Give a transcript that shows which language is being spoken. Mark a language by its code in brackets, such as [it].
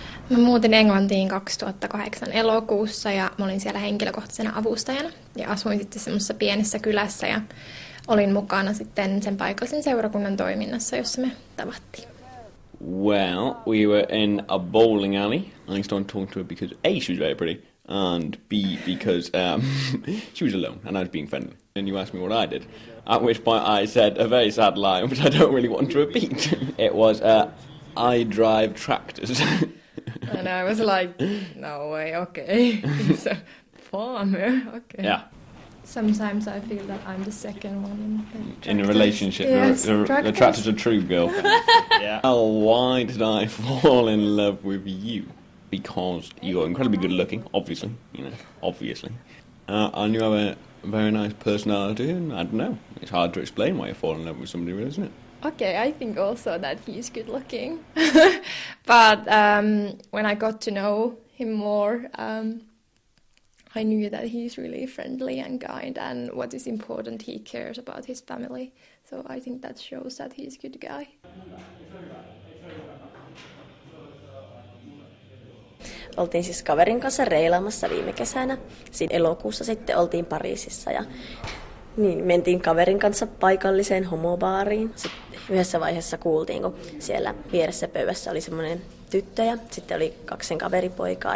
[fi] Mä muutin Englantiin 2008 elokuussa ja mä olin siellä henkilökohtaisena avustajana ja asuin sitten semmoisessa pienessä kylässä ja olin mukana sitten sen paikallisen seurakunnan toiminnassa, jossa me tavattiin. [en] Well, we were in a bowling alley. I started talking to her because A, she was very pretty, and B, because she was alone and I was being friendly. And you asked me what I did, at which point I said a very sad lie, which I don't really want to repeat. It was, I drive tractors. And I was like, no way, okay. He's a farmer, okay. Yeah. Sometimes I feel that I'm the second one in the tractors. In a relationship, yes, the tractor's a true girlfriend. Yeah. Oh, why did I fall in love with you? Because you're incredibly good looking, obviously, you know, obviously. And you have a very nice personality, and I don't know, it's hard to explain why you fall in love with somebody, really, isn't it? Okay, I think also that he's good looking. But when I got to know him more, I knew that he's really friendly and kind, and what is important, he cares about his family. So I think that shows that he's a good guy. [fi] Oltiin siis kaverin kanssa reilaamassa viime kesänä. Siinä elokuussa sitten oltiin Pariisissa ja niin, mentiin kaverin kanssa paikalliseen homobaariin. Sitten yhdessä vaiheessa kuultiin, kun siellä vieressä pöydässä oli semmoinen tyttö ja sitten oli kaksi sen kaveripoikaa.